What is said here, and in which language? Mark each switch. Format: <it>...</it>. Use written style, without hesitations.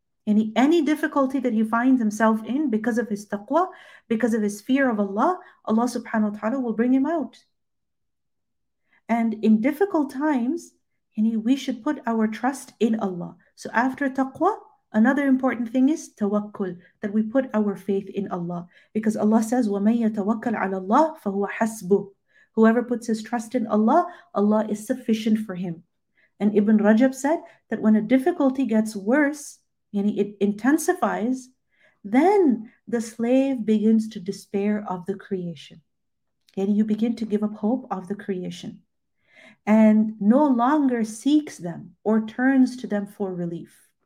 <en>Any difficulty that he finds himself in because of his taqwa, because of his fear of Allah, Allah subhanahu wa ta'ala will bring him out. And in difficult times, we should put our trust in Allah. So after taqwa, another important thing is tawakkul, that we put our faith in Allah. Because Allah says,</en> <ar>وَمَنْ يَتَوَكَّلْ عَلَى اللَّهِ فَهُوَ حَسْبُهُ.</ar> <en>Whoever puts his trust in Allah, Allah is sufficient for him. And Ibn Rajab said that when a difficulty gets worse, it intensifies, then the slave begins to despair of the creation. And you begin to give up hope of the creation and no longer seeks them or turns to them for relief.</en>